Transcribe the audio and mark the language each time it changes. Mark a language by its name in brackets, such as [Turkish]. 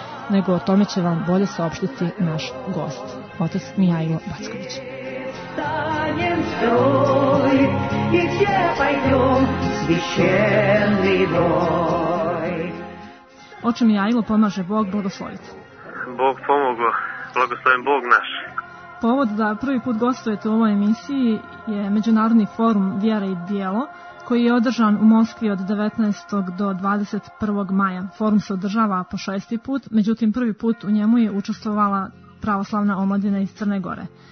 [Serbian] Nego o tome će vam bolje saopštiti naš gost, otac Mijailo Backović. [Russian] Станем строй, и все пойдем священный бой. [Serbian] Отче Мијаило, помаже Бог благословити. Бог помогло, благословен Бог наш. Повод да први пут гостујете у овој емисији је Међународни форум Вјера и дјело, који је одржан у Москви од 19. до 21. маја. Форум се одржава по шести пут, међутим први пут у њему је учествовала православна омладина из Црне Горе.